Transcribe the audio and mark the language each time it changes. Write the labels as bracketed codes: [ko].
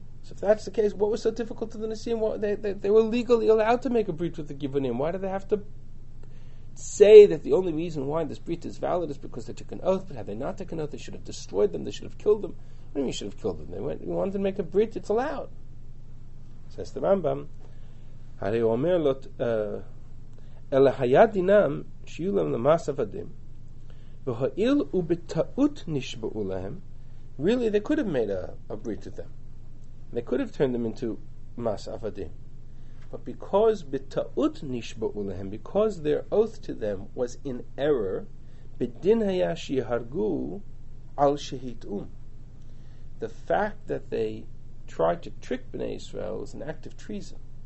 [en] So if that's the case, what was so difficult to the Nesiyim? They were legally allowed to make a brit with the Givonim. Why do they have to say that the only reason why this brit is valid is because they took an oath? But had they not taken an oath, they should have destroyed them, they should have killed them. What do you mean you should have killed them? They wanted to make a brit, it's allowed. Says the Rambam, [he] הרי הוא אומר לו, אלא היה דינם שיהיו להם למס עבדים, והואיל ובטעות נשבעו להם, really they could have made a brit with them. [en] They could have turned them into mas avadim. But because [he] b'ta'ut nishba'u lehem, [en] because their oath to them was in error, [he] b'din haya shiyahargu al shehit'um. [en] The fact that they tried to trick B'nai Israel was an act of treason.